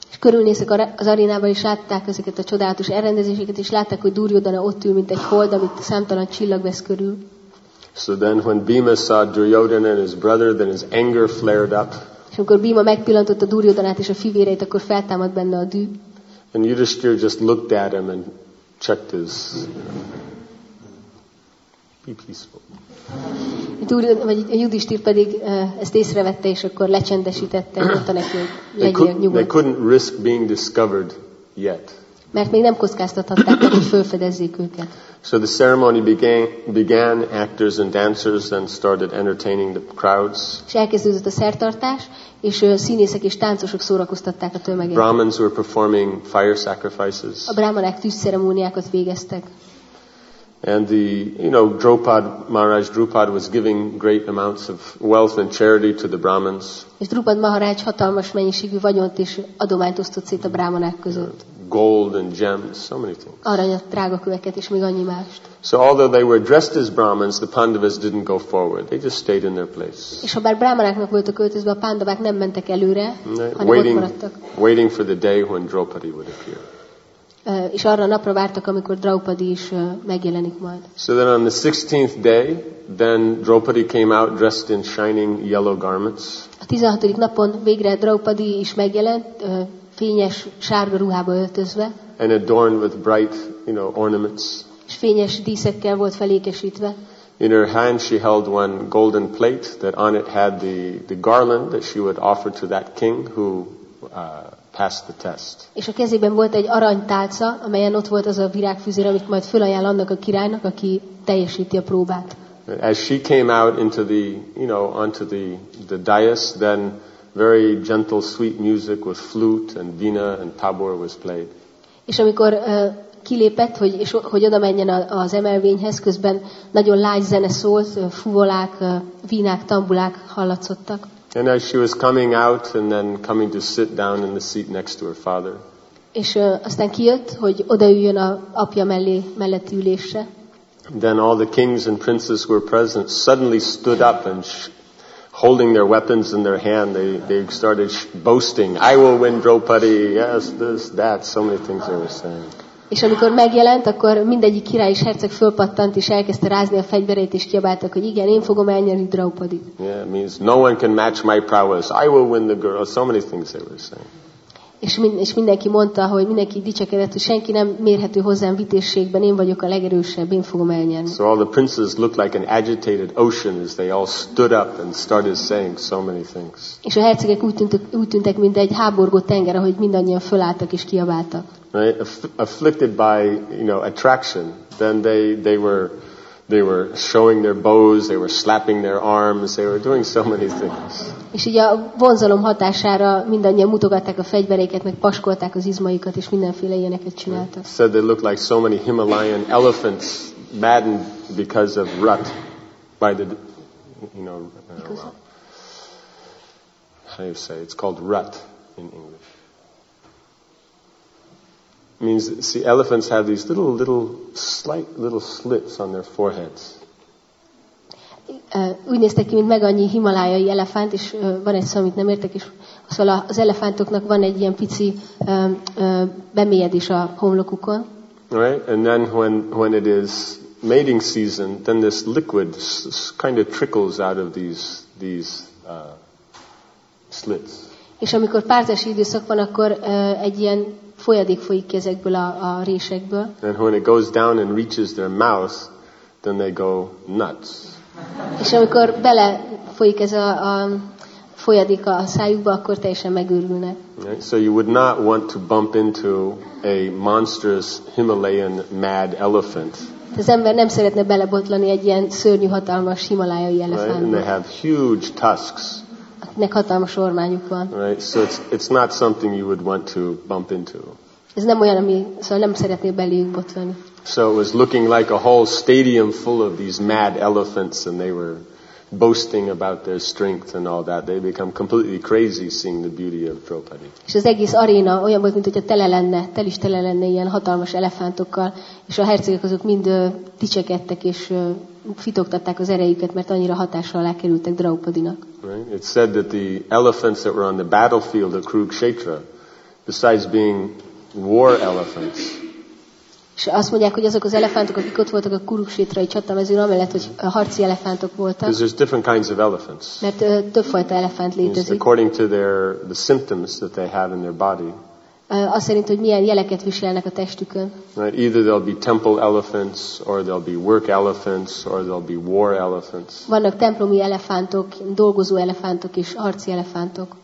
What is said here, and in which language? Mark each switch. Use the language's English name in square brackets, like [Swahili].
[Hungarian] És körülnéztek az arénában, és látták ezeket a csodálatos elrendezéseket, és látták, hogy Duryodhana ott ül, mint egy hold, amit számtalan csillag vesz körül. [English] So then when Bhima saw Duryodhana and his brother, then his anger flared up. [Hungarian] És amikor Bhima megpillantotta Duryodhanát és a fivéreit, akkor feltámadt benne a düh. [English] And Yudhishthira just looked at him and checked his, be peaceful. [Hungarian] Yudhishthira pedig ezt észrevette, és akkor lecsendesítette, mondta neki, hogy legyél nyugodt. [English] They couldn't risk being discovered yet. [Hungarian] Mert még nem kockáztathatták, hogy felfedezzék őket. [English] So the ceremony began, actors and dancers then started entertaining the crowds. [Hungarian] És elkezdődött a szertartás, és színészek és táncosok szórakoztatták a tömeget. [English] Brahmins were performing fire sacrifices. [Hungarian] A brahmanák tűzceremóniákat végeztek. [English] And the, you know, Maharaj Drupad was giving great amounts of wealth and charity to the Brahmins. [Hungarian] És Drupad Maharaj hatalmas mennyiségű vagyont és adományt osztott szét a brahmanák között. [English] Gold and gems, so many things. [Hungarian] Aranyat, drága köveket és még annyi mást. [English] So although they were dressed as Brahmins, the Pandavas didn't go forward. They just stayed in their place. [Hungarian] És ha bár brahmanáknak voltak öltözve, a pandavák nem mentek előre, hanem [English] waiting for the day when Draupadi would appear. [Hungarian] És arra napra vártak, amikor Draupadi is megjelenik majd. [English] So then on the 16th day, then Draupadi came out dressed in shining yellow garments. [Hungarian] A 16. napon végre Draupadi is megjelent, fényes sárga ruhába öltözve. [English] And adorned with bright, you know, ornaments. [Hungarian] És fényes díszekkel volt felékesítve. [English] In her hand she held one golden plate that on it had the garland that she would offer to that king who passed the test. [Hungarian] És a kezében volt egy aranytálca, amelyen ott volt az a virágfüzér, amit majd felajánl annak a királynak, aki teljesíti a próbát. [English] As she came out into the, you know, onto the dais, then very gentle, sweet music with flute and veena and tabor was played. [Hungarian] És amikor kilépett, hogy oda menjen az emelvényhez, közben nagyon lágy zene szólt, fuvolák, vínák, tambulák hallatszottak. [English] And as she was coming out and then coming to sit down in the seat next to her father. [Hungarian] És aztán kijött, hogy odaüljön a apja melletti ülésre. [English] Then all the kings and princes who were present suddenly stood up and holding their weapons in their hand, they started boasting, I will win Draupadi, yes, this, that, so many things they were saying. [Hungarian] És amikor megjelent, akkor mindegyik király és herceg fölpattant, és elkezdte rázni a fegyvereit, és kiabáltak, hogy igen, én fogom elnyerni Draupadit. [English] Yeah, it means no one can match my prowess. I will win the girl. So many things they were saying. [Hungarian] És mindenki mondta, hogy mindenki dicsekedett, hogy senki nem mérhető hozzám vitézségben, én vagyok a legerősebb, én fogom elnyerni. [English] So all the princes looked like an agitated ocean as they all stood up and started saying so many things. [Hungarian] És a hercegek úgy tűntek, mint egy háborgó tenger, ahogy mindannyian fölálltak és kiabáltak. [English] Afflicted by, you know, attraction, then they were They were showing their bows, they were slapping their arms, they were doing so many things. [Hungarian] És így a vonzalom hatására mindannyian mutogatták a fegyvereiket, meg paskolták az izmaikat, és mindenféle ilyeneket csináltak. [English] So they looked like so many Himalayan elephants maddened because of rut by the, you know, how do you say, it's called rut in English. Means, see, elephants have these slight little slits on their foreheads. [Hungarian] Úgy néztek ki, mint meg annyi himalájai elefánt, és van egy szó, amit nem értek, és szóval az elefántoknak van egy ilyen pici bemélyedés a homlokukon. [English] Right, and then when it is mating season, then this liquid kind of trickles out of these slits. [Hungarian] És amikor párzási időszak van, akkor egy ilyen folyadék folyik ki ezekből a résekből. [English] And when it goes down and reaches their mouth, then they go nuts. [Hungarian] És amikor bele folyik ez a folyadék a szájukba, akkor teljesen megőrülnek. [English] Right? So you would not want to bump into a monstrous Himalayan mad elephant. [Hungarian] Az ember nem szeretne belebotlani egy ilyen szörnyű hatalmas himalájai elefántba. [English] Right? And they have huge tusks. [Hungarian] Nek hatalmas ormányuk van. [English] Right, so it's not something you would want to bump into. [Hungarian] Ez nem olyan, ami, szóval nem szeretnél beléjük botlani. [English] So it was looking like a whole stadium full of these mad elephants, and they were boasting about their strength and all that. They become completely crazy seeing the beauty of Draupadi. [Hungarian] És az egész aréna olyan volt, mint hogyha tele lenne, tel is tele lenne ilyen hatalmas elefántokkal, és a hercegek azok mind dicsekedtek és fitogtatták az erejüket, mert annyira hatásra alá kerültek Draupadinak. [English] Right? It said that the elephants that were on the battlefield of Kurukshetra, besides being war elephants. [Hungarian] És azt mondják, hogy azok az elefántok, akik ott voltak a Kurukshetrai csatamezőn, amellett, hogy harci elefántok voltak. [English] Because there's different kinds of elephants. [Hungarian] Mert többfajta elefánt létezik. [English] According to the symptoms that they have in their body. [Hungarian] Azt szerint, hogy milyen jeleket viselnek a testükön. [English] Right, either they'll be temple elephants, or they'll be work elephants, or they'll be war elephants. [Hungarian] Vannak templomi elefántok, dolgozó elefántok és harci elefántok.